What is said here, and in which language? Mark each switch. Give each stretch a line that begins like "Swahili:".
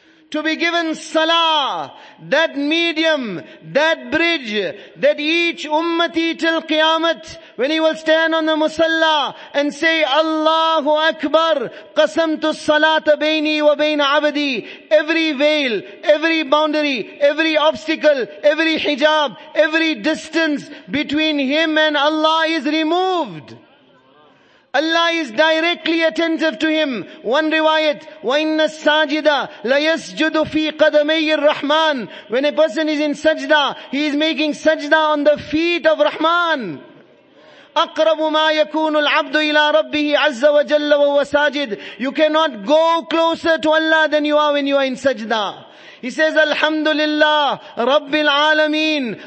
English: To be given salah, that medium, that bridge, that each ummati till qiyamat, when he will stand on the musalla and say, Allahu Akbar,
Arabic: qasamtu salata baini wa baina abadi,
English: every veil, every boundary, every obstacle, every hijab, every distance between him and Allah is removed. Allah is directly attentive to him. One riwayat,
Arabic: وَإِنَّ السَّاجِدَ لَيَسْجُدُ فِي قَدَمَيِّ الرَّحْمَانِ.
English: When a person is in sajda, he is making sajda on the feet of Rahman.
Arabic: أَقْرَبُ مَا يَكُونُ الْعَبْدُ إِلَىٰ رَبِّهِ عَزَّ وَجَلَّ وَهُوَ سَاجِدٌ.
English: You cannot go closer to Allah than you are when you are in sajda. He says, Alhamdulillah, Rabbil Alameen.